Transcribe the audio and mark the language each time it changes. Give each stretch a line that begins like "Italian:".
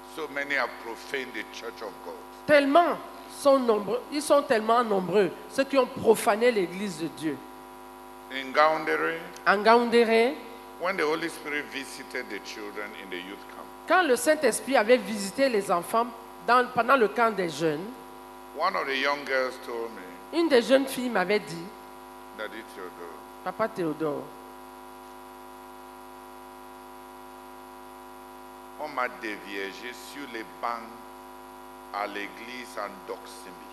English: many have profaned the church of God.
French: Tellement sont nombreux, ils sont tellement nombreux ceux qui ont profané l'église de Dieu.
English: In Gaundere,
French: en Gaundere,
English: when the Holy Spirit visited the children in the youth camp,
French: quand le Saint-Esprit avait visité les enfants dans, pendant le camp des jeunes,
English: one of the young girls told me,
French: une des jeunes filles m'avait dit,
English: Daddy Theodore,
French: Papa Théodore, on m'a déviergé sur les bancs à l'église en Doximi.